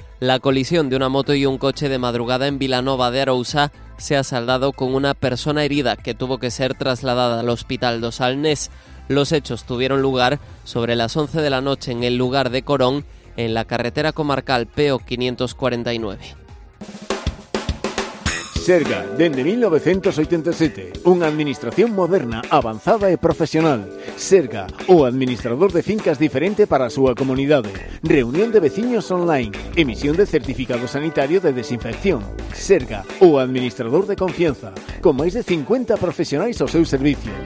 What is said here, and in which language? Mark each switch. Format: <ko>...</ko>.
<es>La colisión de una moto y un coche de madrugada en Vilanova de Arousa se ha saldado con una persona herida que tuvo que ser trasladada al Hospital dos Alnés. Los hechos tuvieron lugar sobre las 11 de la noche en el lugar de Corón, en la carretera comarcal PO 549.</es> <gl>Serga, dende 1987, unha administración moderna, avanzada e profesional. Serga, o administrador de fincas diferente para a súa comunidade. Reunión de veciños online, emisión de certificado sanitario de desinfección. Serga, o administrador de confianza, con máis de 50 profesionais ao seu servicio.</gl>